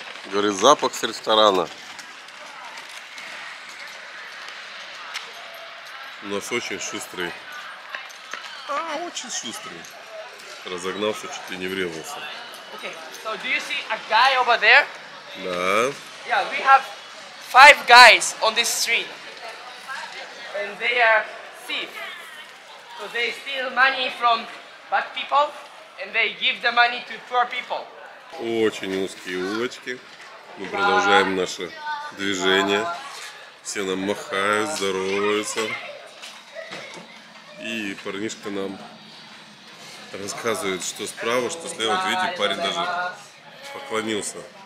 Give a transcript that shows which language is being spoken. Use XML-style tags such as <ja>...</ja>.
<ru>Говорит, запах с ресторана. У нас очень шустрый. Очень шустрый. Разогнался, чуть ли не врезался.</ru> <en>Okay, so do you see a guy over there?</en> <ru>Да.</ru> <en>Yeah, we have 5 guys on this street. And they are thieves. So they steal money from bad people and they give the money to poor people.</en> <ru>Очень узкие улочки. Мы продолжаем наше движение. Все нам махают, здороваются. И парнишка нам рассказывает, что справа, что слева. Вот видите, парень даже поклонился.</ru>